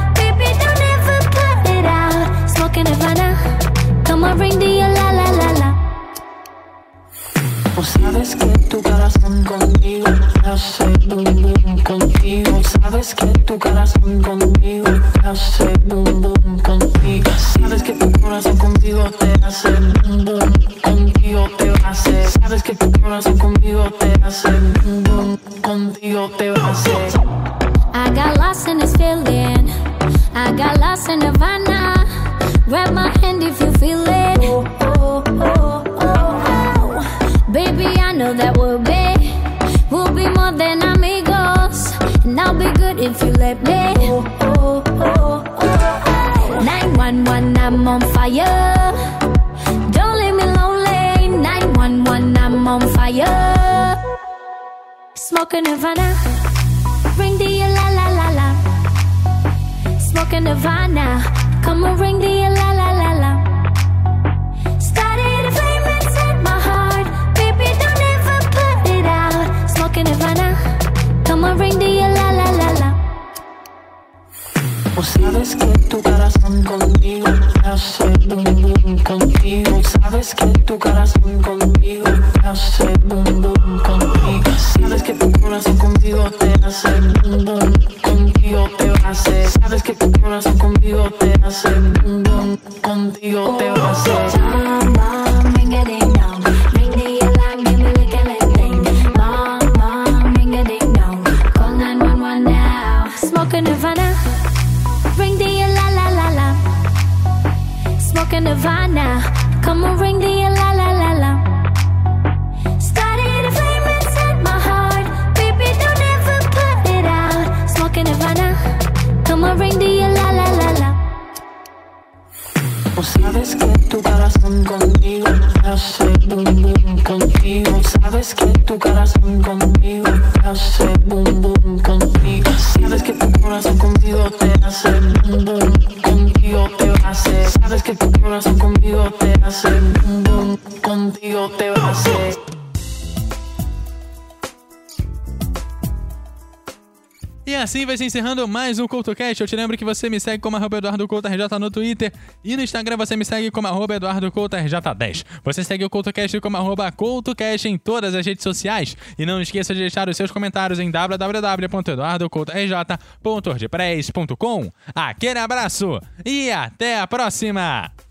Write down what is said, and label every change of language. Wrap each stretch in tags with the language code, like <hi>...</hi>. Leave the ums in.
<en>Baby, don't ever put it out. Smoking Nirvana. Come on, ring the la la la la.</en> <es>Tú sabes que tu corazón conmigo hace bum bum contigo. Sabes que tu corazón conmigo hace bum bum contigo. Sabes que tu corazón conmigo te hace bum bum contigo te va a hacer. Sabes que tu corazón conmigo te hace bum bum contigo te va a hacer.</es> <en>I got lost in this feeling. I got lost in Nirvana. Grab my hand if you feel it. Oh, oh, oh, oh, oh. Baby, I know that we'll be. We'll be more than amigos. And I'll be good if you let me. Oh, oh, oh, oh, oh. 911, I'm on fire. Don't leave me lonely. 911, I'm on fire. Smoking Nirvana. Ring the la la la la. Smoking Nirvana. Come on, ring the la la la la. Started a flame inside my heart. Baby, don't ever put it out. Smoking Nirvana. Come on, ring the la la la la.</en> <es>Tú sabes que tu corazón conmigo hace bum bum contigo. Sabes que tu corazón conmigo hace bum bum contigo. Sabes que tu corazón conmigo te hace bum bum contigo te va a hacer. Sabes que tu corazón conmigo te hace bum bum contigo te va a hacer.</es> <en>Mom, ring a ding dong. Ring the alarm, give me the killing thing. Mom, mom, ring a ding dong. Call 911 now. Smoking Nirvana. Ring the la la la la. Smoking Nirvana. Come on, ring the la la la la. Started a flame inside my heart. Baby, don't ever put it out. Smoking Nirvana. Come on, ring the la la la la.</en> <es>Tú sabes que tu corazón conmigo hace bum bum contigo. Sabes que tu corazón conmigo hace bum bum contigo. Sabes que tu corazón conmigo te hace bum bum contigo te va a hacer. Sabes que tu corazón conmigo te hace bum bum contigo te va a hacer.</es> <pt>E assim vai se encerrando mais um CoutoCast. Eu te lembro que você me segue como arroba Eduardo Couto RJ no Twitter e no Instagram você me segue como arroba Eduardo Couto RJ10. Você segue o CoutoCast como arroba CoutoCast em todas as redes sociais. E não esqueça de deixar os seus comentários em www.eduardocoutorj.wordpress.com. Aquele abraço e até a próxima!</pt>